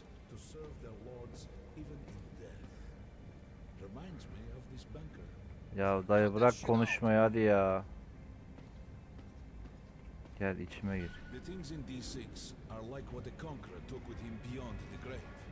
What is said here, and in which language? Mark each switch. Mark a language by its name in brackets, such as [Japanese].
[English] To serve their lords even in death. Reminds me of this banker. [Turkish] Ya dayı bırak konuşmayı hadi ya. Gel içime gir. [English] The things in D6 are like what the conqueror took with him beyond the grave.